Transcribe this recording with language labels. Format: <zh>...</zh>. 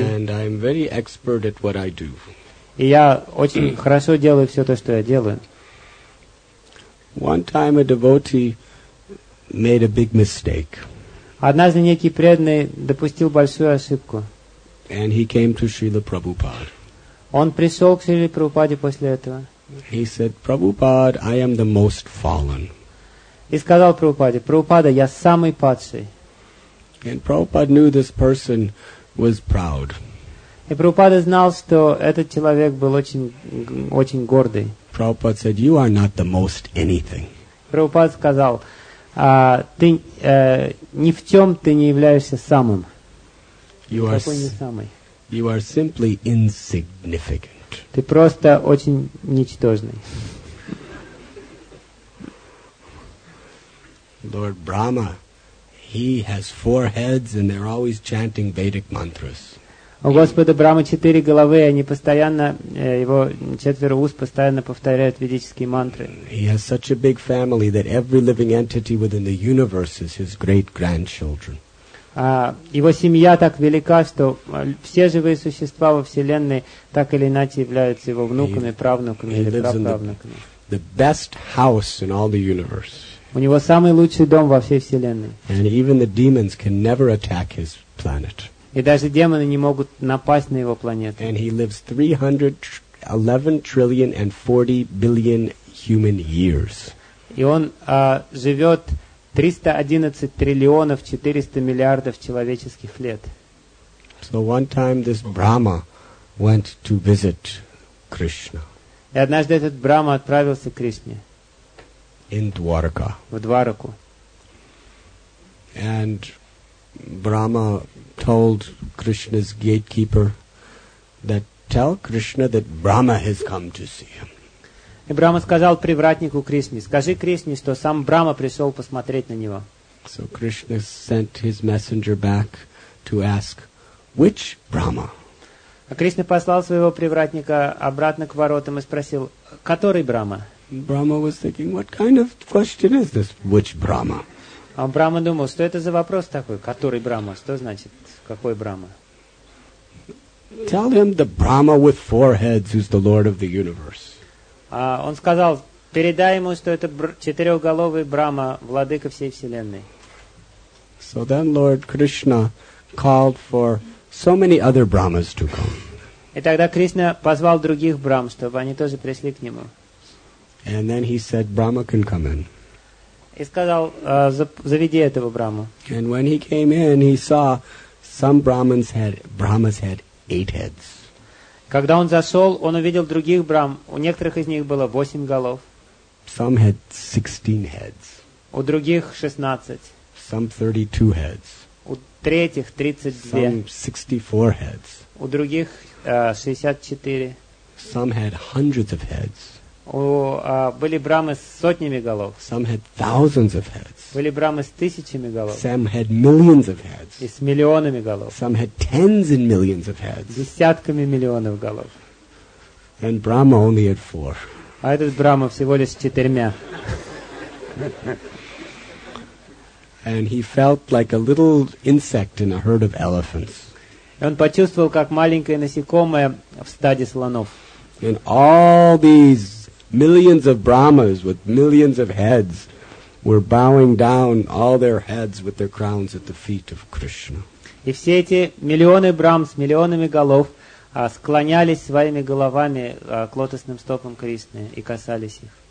<en>And I am very expert at what I do.</en> <ru>И я очень хорошо делаю все то, что я делаю.</ru> <en>One time a devotee made a big mistake.</en> <ru>Однажды некий преданный допустил большую ошибку.</ru> <en>And he came to Srila Prabhupada.</en> <ru>Он пришел к Шриле Прабхупаде после этого.</ru> <en>He said, Prabhupada, I am the most fallen.</en> <ru>И сказал Прабхупаде, Прабхупада, я самый падший.</ru> <en>And Prabhupada knew this person was proud.</en> <ru>И Прабхупада знал, что этот человек был очень, очень гордый.</ru> <en>Prabhupada said, you are not the most anything.</en> <ru>Прабхупада сказал, ты ни в чем ты не являешься самым.</ru> <en>You are simply insignificant.</en> <ru>Ты просто очень ничтожный.</ru> <en>Lord Brahma, he has four heads and they're always chanting Vedic mantras.</en> <ru>У Господа Брама четыре головы, и они постоянно, его четверо уст постоянно повторяют ведические мантры.</ru> <en>He has such a big family that every living entity within the universe is his great-grandchildren.</en> <ru>Его семья так велика, что все живые существа во Вселенной так или иначе являются его внуками, правнуками или праправнуками.</ru> <en>The best house in all the universe.</en> <ru>У него самый лучший дом во всей Вселенной.</ru> <en>And even the demons can never attack his planet.</en> <ru>И даже демоны не могут напасть на его планету.</ru> <en>And he lives 311 trillion and 40 billion human years.</en> <ru>И он живет 311 триллионов 400 миллиардов человеческих лет.</ru> <en>So one time this Brahma went to visit Krishna.</en> <ru>И однажды этот Брама отправился к Кришне.</ru> <en>In Dwarka.</en> <ru>В Двараку.</ru> <en>And Brahma told Krishna's gatekeeper that tell Krishna that Brahma has come to see him.</en> <ru>И Брама сказал привратнику Кришне, скажи Кришне, что сам Брама пришел посмотреть на него.</ru> <en>So Krishna sent his messenger back to ask, which Brahma?</en> <ru>А Кришна послал своего привратника обратно к воротам и спросил, который Брама?</ru> <en>Brahma was thinking, what kind of question is this, which Brahma?</en> <ru>А Брама думал, что это за вопрос такой, который Брама, что значит, какой Брама?</ru> <en>Tell him the Brahma with four heads who's the Lord of the universe.</en> <ru>Он сказал, передай ему, что это четырехголовый Брама, владыка всей Вселенной.</ru> <en>So then Lord Krishna called for so many other Brahmas to come.</en> <ru>И тогда Кришна позвал других Брам, чтобы они тоже пришли к нему.</ru> <en>And then he said, Brahma can come in.</en> <ru>И сказал, заведи этого Браму.</ru> <en>And when he came in, he saw some Brahmas had eight heads.</en> <ru>Когда он зашел, он увидел других брам. У некоторых из них было 8 голов.</ru> <en>Some had 16 heads.</en> <ru>У других 16.</ru> <en>Some 32 heads.</en> <ru>У третьих 32.</ru> <en>Some 64 heads.</en> <ru>У других 64.</ru> <en>Some had hundreds of heads.</en> <ru>Были брамы с сотнями голов.</ru> <en>Some had thousands of heads.</en> <ru>Были брамы с тысячами голов.</ru> <en>Some had millions of heads.</en> <ru>И с миллионами голов.</ru> <en>Some had tens and millions of heads.</en> <ru>Десятками миллионов голов.</ru> <en>And Brahma only had four.</en> <ru>А этот Брама всего лишь с четырьмя.</ru> <en>And he felt like a little insect in a herd of elephants.</en> <ru>И он почувствовал, как маленькое насекомое в стаде слонов.</ru> <en>And all these millions of Brahmas with millions of heads were bowing down all their heads with their crowns at the feet of Krishna.</en> <ru>И все эти миллионы Брам с миллионами голов склонялись своими головами к лотосным стопам Кришны и касались их.</ru>